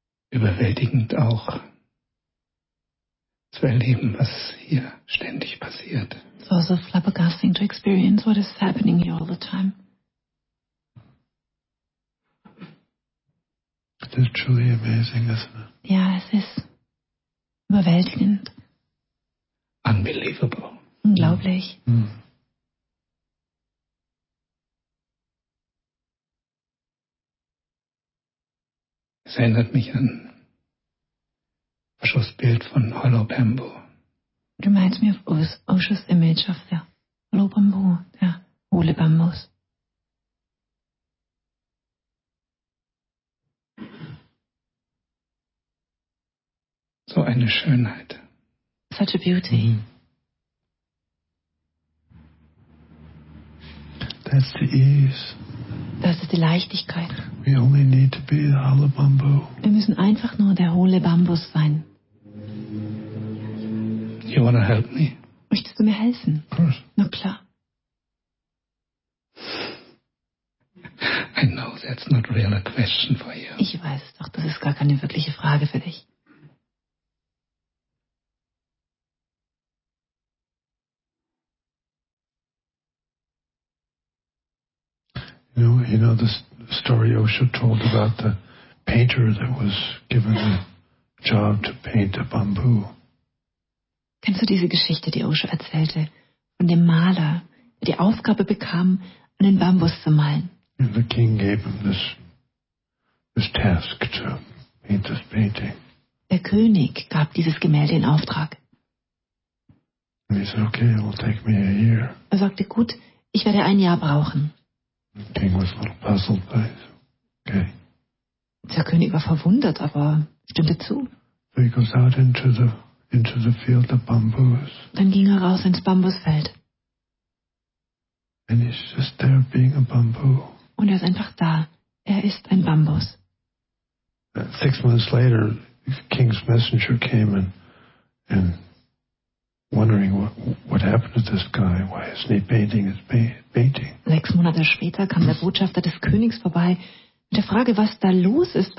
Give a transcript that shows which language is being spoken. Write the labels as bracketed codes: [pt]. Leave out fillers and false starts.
[de] überwältigend auch zu erleben, was hier ständig passiert. [en] It's also flabbergasting to experience what is happening here all the time. It's truly amazing, isn't it? [de] Ja, es ist überwältigend. [en] Unbelievable. [de] Unglaublich. Mm. Es erinnert mich an Osho's Bild von Hollow Bamboo. [en] It reminds me of Osho's image of the Hollow Bamboo, the [de] Hohle Bambus. So eine Schönheit. [en] Such a beauty. Mm. That's the ease. [de] Das ist die Leichtigkeit. [en] We only need to be the hollow bamboo. [de] Wir müssen einfach nur der hohle Bambus sein. [en] You wanna help me? [de] Möchtest du mir helfen? [en] Of course. [de] Na klar. [en] I know that's not really a question for you. [de] Ich weiß es doch, das ist gar keine wirkliche Frage für dich. [en] You know the story Osho told about the painter that was given the job to paint a bamboo. [de] Kennst du diese Geschichte, die Osho erzählte, von dem Maler, der die Aufgabe bekam, einen Bambus zu malen? [en] And the king gave him this task to paint this painting. [de] Der König gab dieses Gemälde in Auftrag. [en] And he said, okay, it'll take me a year. [de] Er sagte, gut, ich werde ein Jahr brauchen. [en] King was a little puzzled by it. Okay. [de] Der König war verwundert, aber stimmte zu. [en] So he goes out into the field of bamboos. [de] Dann ging er raus ins Bambusfeld. [en] And he's just there being a bamboo. [de] Und er ist einfach da. Er ist ein Bambus. [en] 6 months later, the king's messenger came and wondering what happened to this guy? Why isn't he painting his painting? [de] 6 Monate später kam der Botschafter des Königs vorbei mit der Frage, was da los ist.